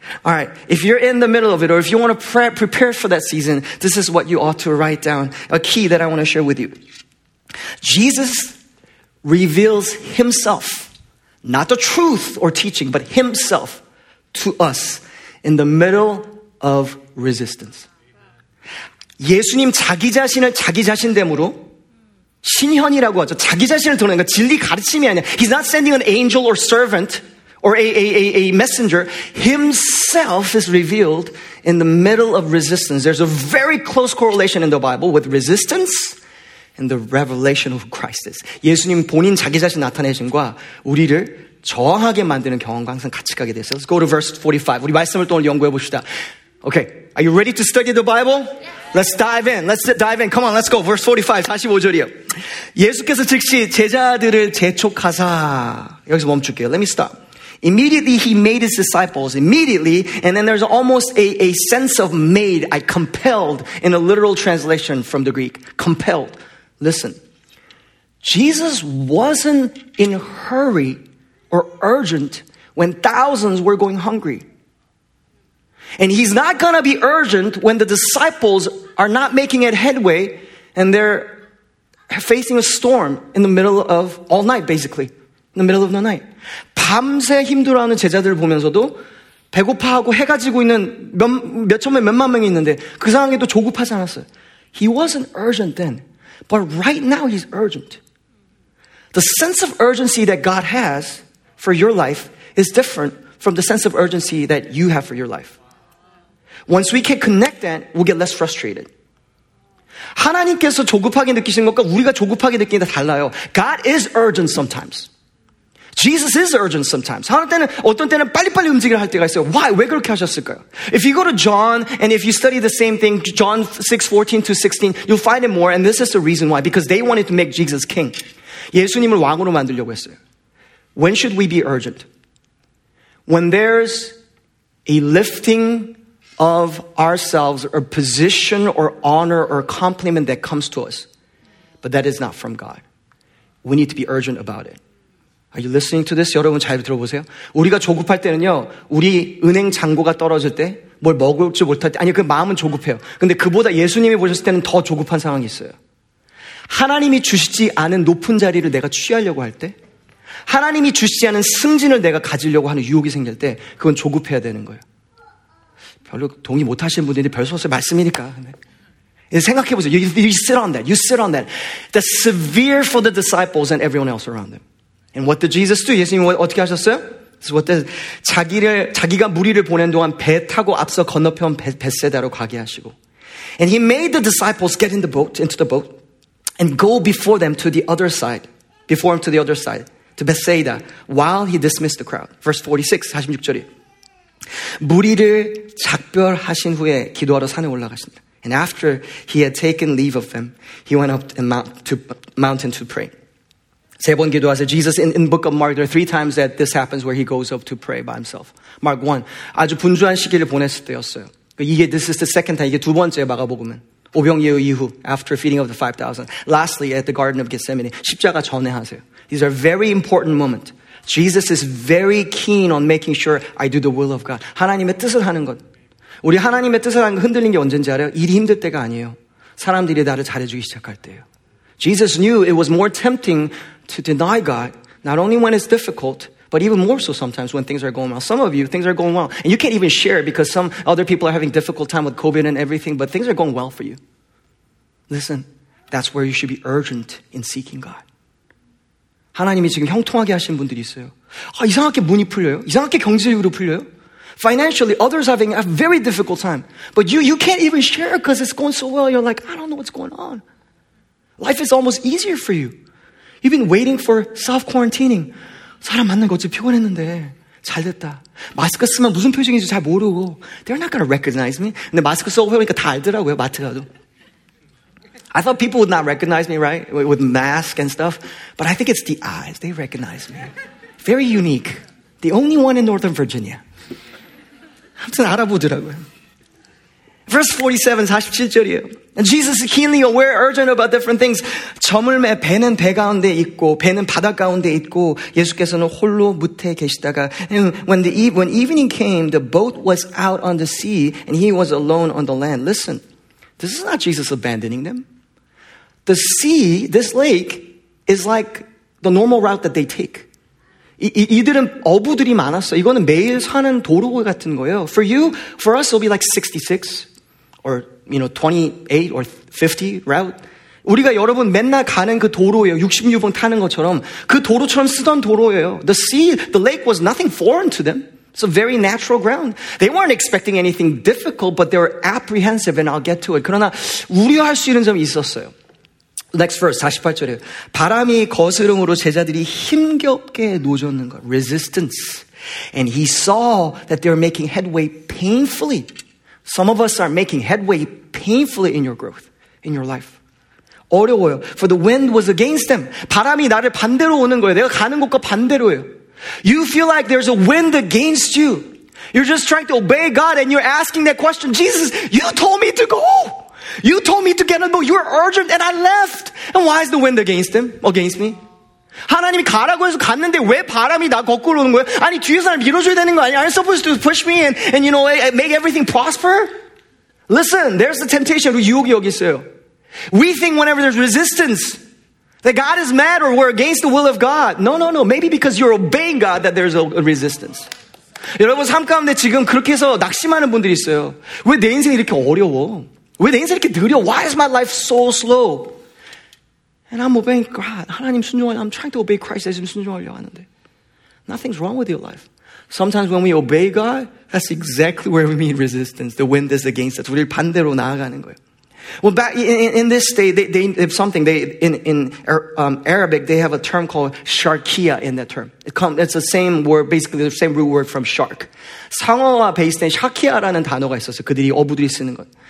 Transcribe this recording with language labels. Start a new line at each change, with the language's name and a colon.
English: All right, if you're in the middle of it or if you want to prepare for that season, this is what you ought to write down, a key that I want to share with you. Jesus reveals himself. Not the truth or teaching, but himself to us in the middle of resistance.
Korean: 예수님 자기 자신을 자기 자신 됨으로 신현이라고 하죠. 자기 자신을 드러내는 거 진리 가르침이 아니야.
English: He's not sending an angel or servant or a messenger. Himself is revealed in the middle of resistance. There's a very close correlation in the Bible with resistance. And the revelation of Christ is.
Korean: 예수님 본인 자기 자신 나타내심과 우리를 저항하게 만드는 경험과 항상 같이 가게 됐어요.
English: Let's go to verse 45.
Korean: 우리 말씀을 또 오늘 연구해 봅시다.
English: Okay, are you ready to study the Bible? Yeah. Let's dive in. Let's dive in. Come on, let's go. Verse 45,
Korean: 45절이요. 예수께서 즉시 제자들을 재촉하사. 여기서 멈출게요.
English: Let me stop. Immediately he made his disciples, immediately, and then there's almost a sense of made, I compelled, in a literal translation from the Greek, compelled. Listen, Jesus wasn't in a hurry or urgent when thousands were going hungry. And he's not going to be urgent when the disciples are not making it headway and they're facing a storm in the middle of all night, basically, in the middle of the night.
Korean: 밤새 힘들어하는 제자들을 보면서도 배고파하고 해가 지고 있는 몇천명 몇만명이 있는데 그 상황에도 조급하지 않았어요.
English: He wasn't urgent then. But right now he's urgent. The sense of urgency that God has for your life is different from the sense of urgency that you have for your life. Once we can connect that, we'll get less frustrated.
Korean: 하나님께서 조급하게 느끼시는 것과 우리가 조급하게 느끼는 게 달라요.
English: God is urgent sometimes. Jesus is urgent sometimes.
Korean: 어떤 때는 빨리빨리 움직이려 할 때가 있어요.
English: Why?
Korean: 왜 그렇게 하셨을까요?
English: If you go to John, and if you study the same thing, John 6, 14 to 16, you'll find it more, and this is the reason why. Because they wanted to make Jesus king.
Korean: 예수님을 왕으로 만들려고 했어요.
English: When should we be urgent? When there's a lifting of ourselves, or position, or honor, or compliment that comes to us. But that is not from God. We need to be urgent about it. Are you listening to this? 여러분 잘 들어보세요.
Korean: 우리가 조급할 때는요, 우리 은행 잔고가 떨어질 때, 뭘 먹을지 못할 때, 아니 그 마음은 조급해요. 근데 그보다 예수님이 보셨을 때는 더 조급한 상황이 있어요. 하나님이 주시지 않은 높은 자리를 내가 취하려고 할 때, 하나님이 주시지 않은 승진을 내가 가지려고 하는 유혹이 생길 때, 그건 조급해야 되는 거예요. 별로 동의 못 하시는 분들이 별수 없어요. 말씀이니까. 근데. 생각해 보세요.
English: You sit on that. You sit on that. That's severe for the disciples and everyone else around them. And what did Jesus do?
Korean: 예수님 어떻게 하셨어요?
English: So what does
Korean: 자기가 무리를 보낸 동안 배 타고 앞서 건너편 벳세다로 가게 하시고.
English: And he made the disciples get in the boat, into the boat, and go before them to the other side, before him to the other side, to Bethsaida, while he dismissed the crowd. Verse 46,
Korean: 46절이. 무리를 작별하신 후에 기도하러 산에 올라가신다.
English: And after he had taken leave of them, he went up the mountain to pray.
Korean: 세 번 기도하세요.
English: Jesus, in the book of Mark, there are three times that this happens where he goes up to pray by himself.
Korean: Mark 1, 아주 분주한 시기를 보냈을 때였어요. 이게,
English: this is the second time,
Korean: 이게 두 번째 마가복음은. 오병이어 이후,
English: after feeding of the 5,000. Lastly, at the Garden of Gethsemane,
Korean: 십자가 전에 하세요.
English: These are very important moments. Jesus is very keen on making sure I do the will of God.
Korean: 하나님의 뜻을 하는 것. 우리 하나님의 뜻을 하는 것 흔들린 게 언제인지 알아요? 일이 힘들 때가 아니에요. 사람들이 나를 잘해주기 시작할 때예요.
English: Jesus knew it was more tempting to deny God, not only when it's difficult, but even more so sometimes when things are going well. Some of you, things are going well. And you can't even share because some other people are having difficult time with COVID and everything, but things are going well for you. Listen, that's where you should be urgent in seeking God.
Korean: 하나님이 지금 형통하게 하신 분들이 있어요. 아, 이상하게 문이 풀려요. 이상하게 경제적으로 풀려요.
English: Financially, others are having a very difficult time. But you can't even share because it's going so well. You're like, I don't know what's going on. Life is almost easier for you. You've been waiting for self-quarantining.
Korean: 사람 만난 거 어째 피곤했는데 잘 됐다. 마스크 쓰면 무슨 표정인지 잘 모르고
English: They're not going to recognize me.
Korean: 근데 마스크 쓰고 보니까 다 알더라고요, 마트 가도.
English: I thought people would not recognize me, right? With masks and stuff. But I think it's the eyes. They recognize me. Very unique. The only one in Northern Virginia.
Korean: 아무튼 알아보더라고요.
English: Verse 47,
Korean: 47절이에요.
English: And Jesus is keenly aware, urgent about different things.
Korean: 저물매, 배는 배 가운데 있고, 배는 바다 가운데 있고, 예수께서는 홀로 무태에 계시다가,
English: and when evening came, the boat was out on the sea, and he was alone on the land. Listen, this is not Jesus abandoning them. The sea, this lake, is like the normal route that they take.
Korean: 이들은 어부들이 많았어. 이거는 매일 사는 도로 같은 거예요.
English: For you, for us, it'll be like 66. Or, you know, 28 or 50 route.
Korean: 우리가 여러분 맨날 가는 그 도로예요. 66번 타는 것처럼. 그 도로처럼 쓰던 도로예요.
English: The sea, the lake was nothing foreign to them. It's a very natural ground. They weren't expecting anything difficult, but they were apprehensive, and I'll get to it.
Korean: 그러나 우려할 수 있는 점이 있었어요.
English: Next verse, 48절에
Korean: 바람이 거스름으로 제자들이 힘겹게 노젓는 것.
English: Resistance. And he saw that they were making headway painfully. Some of us are making headway painfully in your growth, in your life.
Korean: 어려워요.
English: For the wind was against them.
Korean: 바람이 나를 반대로 오는 거예요. 내가 가는 곳과 반대로예요.
English: You feel like there's a wind against you. You're just trying to obey God and you're asking that question. Jesus, you told me to go. You told me to get on the boat. You were urgent and I left. And why is the wind against him? Against me?
Korean: 하나님이 가라고 해서 갔는데 왜 바람이 나 거꾸로 오는 거야? 아니 뒤에서 날 밀어줘야 되는 거 아니야?
English: I'm supposed to push me and you know make everything prosper? Listen, there's the temptation.
Korean: 유혹이 여기 있어요.
English: We think whenever there's resistance that God is mad or we're against the will of God. No. Maybe because you're obeying God that there's a resistance.
Korean: 여러분 삶 가운데 지금 그렇게 해서 낙심하는 분들이 있어요. 왜 내 인생이 이렇게 어려워? 왜 내 인생이 이렇게 느려?
English: Why is my life so slow? And I'm obeying God.
Korean: 하나님 순종하려고,
English: I'm trying to obey Christ as I'm
Korean: 순종하려고 하는데.
English: Nothing's wrong with your life. Sometimes when we obey God, that's exactly where we meet resistance. The wind is against us.
Korean: 우리를 반대로 나아가는 거예요.
English: Well, back in this day, in Arabic, they have a term called sharkia in that term. It's the same word, basically the same root word from shark.
Korean: 상어와 베이스된 샤키아라는 단어가 있었어요. 그들이 어부들이 쓰는 것.